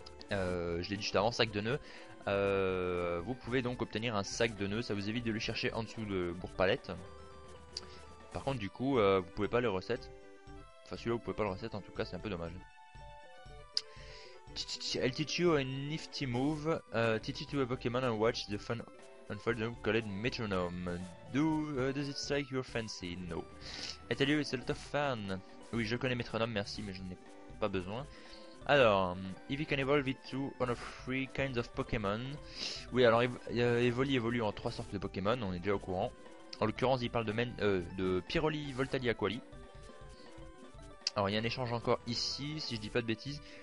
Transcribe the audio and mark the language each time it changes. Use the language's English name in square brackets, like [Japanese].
[French] Je l'ai dit juste avant, sac de nœuds. Vous pouvez donc obtenir un sac de nœuds. Ça vous évite de le chercher en dessous de Bourg-Palette. Par contre, du coup, vous pouvez pas le reset. Enfin, celui-là, vous pouvez pas le reset. En tout cas, c'est un peu dommage. [English] I'll teach you a nifty move. Teach it to a Pokémon and watch the fun unfold. Call it Metronome. Does it strike your fancy? No. I tell you, it's a lot of fun. [French] Oui, je connais Metronome, merci, mais je n'en ai pas besoin. Alors, [English] Eevee can evolve into one of three kinds of Pokémon. [French] Oui, alors, Evoli évolue en trois sortes de Pokémon, on est déjà au courant. En l'occurrence, il parle de Pyroli, Voltali, Aqualie. Alors, il y a un échange encore ici, si je dis pas de bêtises.